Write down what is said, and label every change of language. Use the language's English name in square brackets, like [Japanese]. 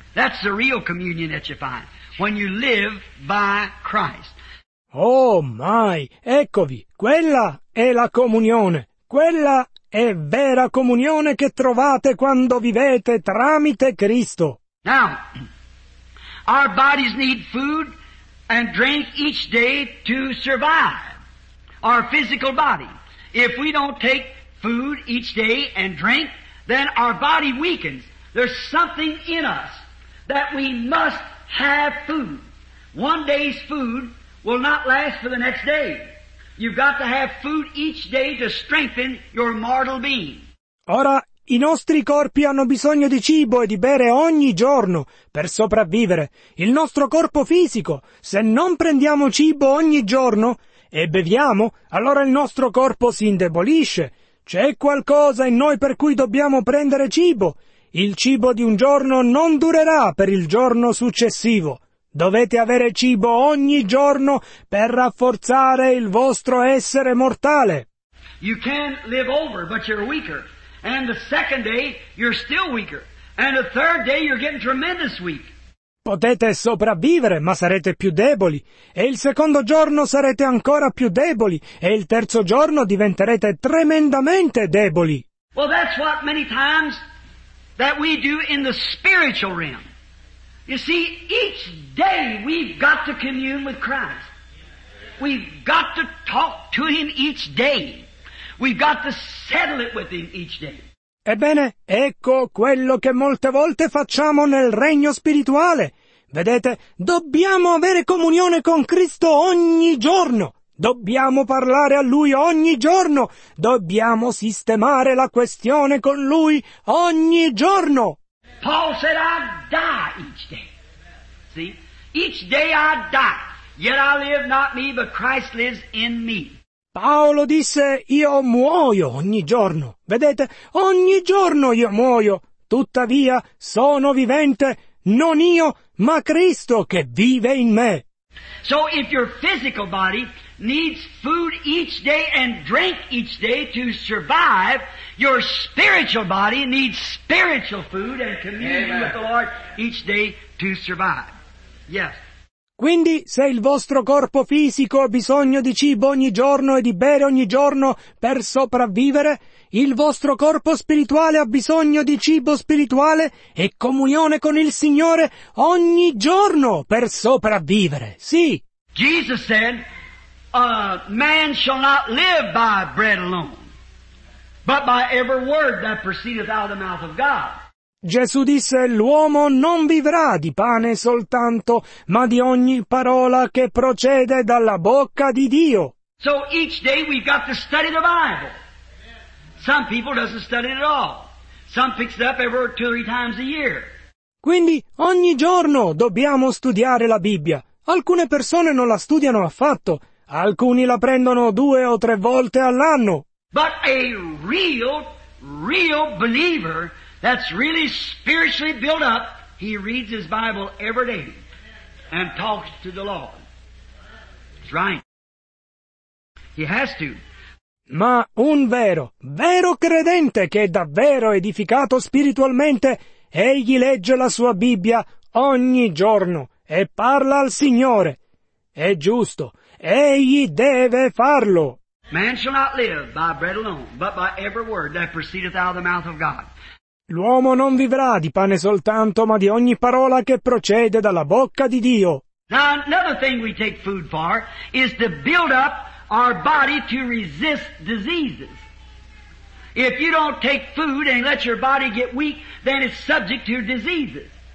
[English] That's the real communion that you find when you live by Christ. Oh my! [Italian] Eccovi, quella è la comunione. Quella è vera comunione che trovate quando vivete tramite Cristo. [English] Now, our bodies need food and drink each day to survive. Our physical body. If we don't take food each day and drink, then our body weakens. There's something in us that we must have food. One day's food will not last for the next day. You've got to have food each day to strengthen your mortal being. [Italian] Ora, i nostri corpi hanno bisogno di cibo e di bere ogni giorno per sopravvivere. Il nostro corpo fisico, se non prendiamo cibo ogni giorno e beviamo, allora il nostro corpo si indebolisce. C'è qualcosa in noi per cui dobbiamo prendere cibo. Il cibo di un giorno non durerà per il giorno successivo. Dovete avere cibo ogni giorno per rafforzare il vostro essere mortale. [English] You can live over, but you're weaker. And the second day you're still weaker. And the third day you're getting tremendous weak. [Italian] Potete sopravvivere, ma sarete più deboli. E il secondo giorno sarete ancora più deboli. E il terzo giorno diventerete tremendamente deboli. [English] Well, that's what many times that we do in the spiritual realm. You see, each day we've got to commune with Christ. We've got to talk to Him each day. We've got to settle it with Him each day. [Italian] Ebbene, ecco quello che molte volte facciamo nel regno spirituale. Vedete, dobbiamo avere comunione con Cristo ogni giorno. Dobbiamo parlare a Lui ogni giorno. Dobbiamo sistemare la questione con Lui ogni giorno. [English] Paul said, I die each day. See? Each day I die, yet I live not me, but Christ lives in me. [Italian] Paolo disse, io muoio ogni giorno. Vedete, ogni giorno io muoio. Tuttavia, sono vivente, non io, ma Cristo che vive in me. [English] So if your physical body needs food each day and drink each day to survive, your spiritual body needs spiritual food and communion Amen. With the Lord each day to survive. Yes. [Italian] Quindi, se il vostro corpo fisico ha bisogno di cibo ogni giorno e di bere ogni giorno per sopravvivere, il vostro corpo spirituale ha bisogno di cibo spirituale e comunione con il Signore ogni giorno per sopravvivere. Sì. [English] Jesus said, a man shall not live by bread alone, but by every word that proceedeth out of the mouth of God. [Italian] Gesù disse, l'uomo non vivrà di pane soltanto, ma di ogni parola che procede dalla bocca di Dio. [English] So each day we've got to study the Bible. Some people doesn't study it at all. Some picks it up every two or three times a year. [Italian] Quindi ogni giorno dobbiamo studiare la Bibbia. Alcune persone non la studiano affatto. Alcuni la prendono due o tre volte all'anno. [English] But a real believer that's really spiritually built up, he reads his Bible every day and talks to the Lord. That's right. He has to. [Italian] Ma un vero credente che è davvero edificato spiritualmente, egli legge la sua Bibbia ogni giorno e parla al Signore. È giusto. Egli deve farlo. [English] Man shall not live by bread alone, but by every word that proceedeth out of the mouth of God. [Italian] L'uomo non vivrà di pane soltanto, ma di ogni parola che procede dalla bocca di Dio. [English] Now, another thing we take food for is to build up our body to resist diseases. If you don't take food and let your body get weak, then it's subject to diseases.